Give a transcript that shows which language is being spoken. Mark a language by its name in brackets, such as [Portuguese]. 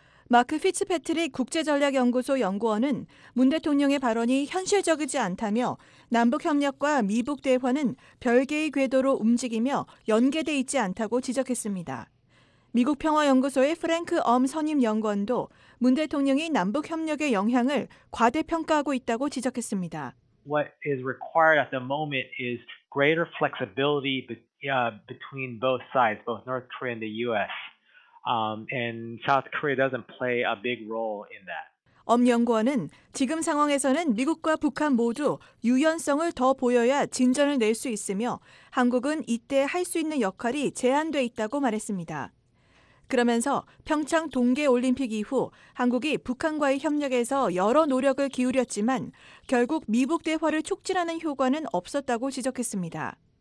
[Korean] 마크 피츠패트릭 국제전략연구소 연구원은 문 대통령의 발언이 현실적이지 않다며 남북협력과 미북 대화는 별개의 궤도로 움직이며 연계돼 있지 않다고 지적했습니다. 미국 평화연구소의 프랭크 엄 선임 연구원도 문 대통령이 남북협력의 영향을 과대평가하고 있다고 지적했습니다. [English] What is required at the moment is greater flexibility between both sides, both North Korea and the U.S. And South Korea doesn't play a big role in that. [Korean] 엄 연구원은 지금 상황에서는 미국과 북한 모두 유연성을 더 보여야 진전을 낼 수 있으며 한국은 이때 할 수 있는 역할이 제한돼 있다고 말했습니다. 그러면서 평창 동계올림픽 이후 한국이 북한과의 협력에서 여러 노력을 기울였지만 결국 미북 대화를 촉진하는 효과는 없었다고 지적했습니다.